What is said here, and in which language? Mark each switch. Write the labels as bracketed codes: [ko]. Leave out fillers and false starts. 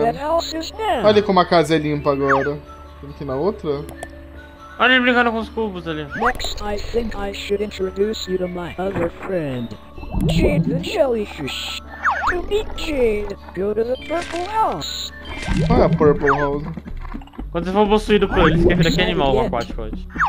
[pt] Olha ali como a casa é limpa agora. Tem aqui na outra. Olha ele brincando com os cubos ali. [en] Next, I think I should introduce you to my other friend, Jade the Jellyfish. To meet Jade, go to the Purple House. [pt] Qual é a Purple House? Quando você for possuído por ele, esquece daquele animal aquático hoje.